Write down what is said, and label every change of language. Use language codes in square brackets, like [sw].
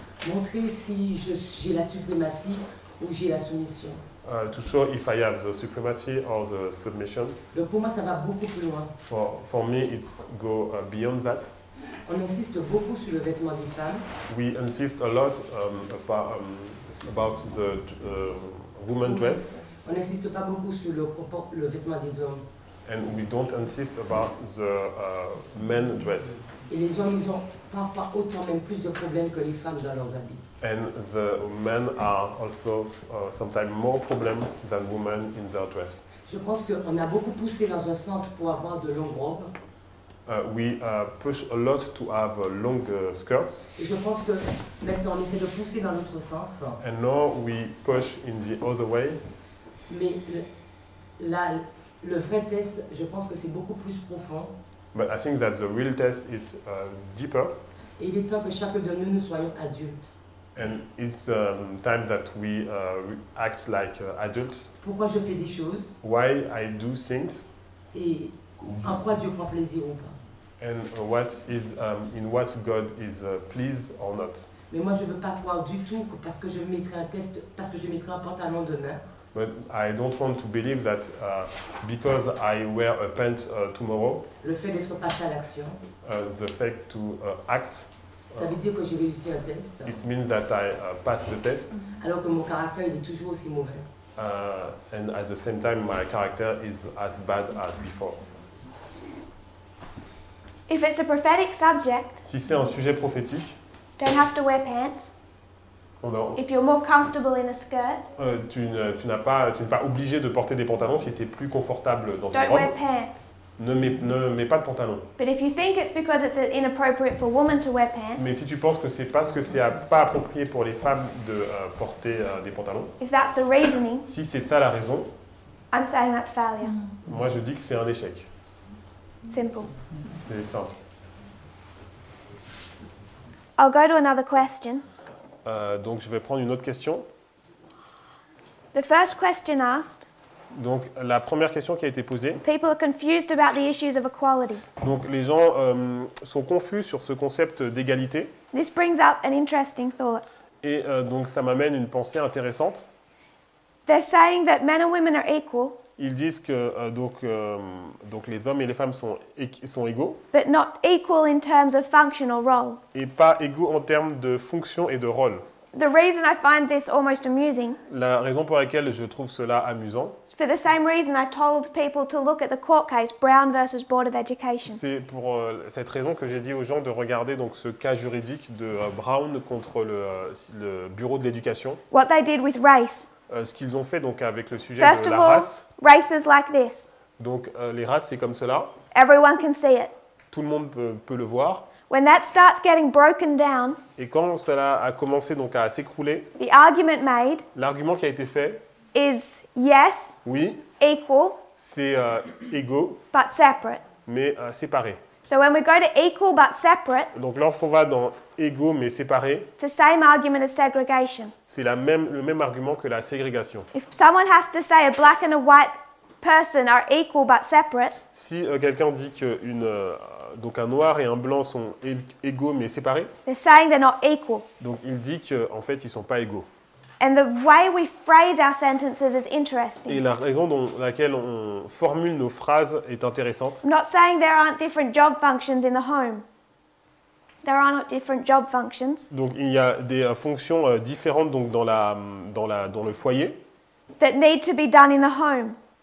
[fr] Montrer si j'ai la suprématie ou j'ai la soumission. [en] To show if I have the supremacy or the submission. [fr] Donc pour moi ça va beaucoup plus loin. [en] For me it's go beyond that. [fr] On insiste beaucoup sur le vêtement des femmes. [en] We insist a lot about the woman dress. [fr] On n'insiste pas beaucoup sur le vêtement des hommes. [en] And we don't insist about the men dress. [fr] Et les hommes, ils ont parfois autant, même plus de problèmes que les femmes dans leurs habits. [en] And the men are also sometimes more problems than women in their dress. [fr] Je pense qu'on a beaucoup poussé dans un sens pour avoir de longues robes. [en] We push a lot to have long skirts. [fr] Et je pense que maintenant on essaie de pousser dans l'autre sens. [en] And now we push in the other way. [fr] Mais le vrai test, je pense que c'est beaucoup plus profond. [en] But I think that the real test is deeper. [fr] Et il est temps que chacun de nous soyons adultes. [en] And it's time that we act like adults. [fr] Pourquoi je fais des choses? [en] Why I do things? [fr] Et en quoi Dieu prend plaisir ou pas? [en] And what is in what God is pleased or not? [fr] Mais moi je veux pas croire du tout que parce que je mettrai un test parce que je mettrai un pantalon demain. [en] But I don't want to believe that because I wear a pant tomorrow. [fr] Le fait d'être passé à l'action. [en] The fact to act. [fr] Ça veut dire que j'ai réussi un test. [en] It means that I passed the test. [fr] Alors que mon caractère il est toujours aussi mauvais. [en] And at the same time, my character is as bad as before. If it's a prophetic subject, [fr] si c'est un sujet prophétique, [en] don't have to wear pants. [fr] Non. [en] If you're more comfortable in a skirt, [fr] tu n'es pas obligé de porter des pantalons si tu es plus confortable dans une robe. [en] Don't wear pants. [fr] Ne mets pas de pantalon. [en] But if you think it's because it's inappropriate for women to wear pants. [fr] Mais si tu penses que c'est parce que c'est pas approprié pour les femmes de porter des pantalons. [en] If that's the reasoning. [fr] Si c'est ça la raison. [en] I'm saying that's failure. [fr] Moi je dis que c'est un échec. [en] Simple. [fr] C'est simple. [en] I'll go to another question. [fr] Donc je vais prendre une autre question. [en] The first question asked. [fr] Donc la première question qui a été posée. [en] People are confused about the issues of equality. [fr] Donc les gens sont confus sur ce concept d'égalité. [en] This brings up an interesting thought. [fr] Et donc ça m'amène une pensée intéressante. [en] They're saying that men and women are equal. [fr] Ils disent que donc les hommes et les femmes sont égaux. [en] But not equal in terms of functional role. [fr] Et pas égaux en termes de fonction et de rôle. [en] The reason I find this almost amusing. [fr] La raison pour laquelle je trouve cela amusant. [en] It's for the same reason I told people to look at the court case Brown versus Board of Education. [fr] C'est pour cette raison que j'ai dit aux gens de regarder donc ce cas juridique de Brown contre le bureau de l'éducation. [en] What they did with race. [fr] Ce qu'ils ont fait donc avec le sujet [en] First [fr] de [en] of [fr] la [en] all, [fr] race. [en] Races like this. [fr] Donc les races c'est comme cela. [en] Everyone can see it. [fr] Tout le monde peut le voir. [en] When that starts getting broken down, [fr] et quand cela a commencé donc à s'écrouler, [en] the argument made, [fr] l'argument qui a été fait, [en] is yes, [fr] oui, [en] equal, [fr] c'est égaux, [en] but separate, [fr] mais séparés. [en] So when we go to equal but separate, [fr] donc lorsqu'on va dans égaux mais séparés, [en] the same argument as segregation, [fr] c'est le même argument que la ségrégation. [en] If someone has to say a black and a white person are equal but separate, [fr] si quelqu'un dit que donc un noir et un blanc sont égaux mais séparés. [en] They're saying they're not equal. [fr] Donc il dit qu'en fait ils ne sont pas égaux. [en] And the way we phrase our sentences is interesting. [fr] Et la raison dont laquelle on formule nos phrases est intéressante. [en] Not saying there aren't different job functions in the home. There are not different job functions. [fr] Donc il y a des fonctions différentes donc dans le foyer. [en] That need to be done in the home.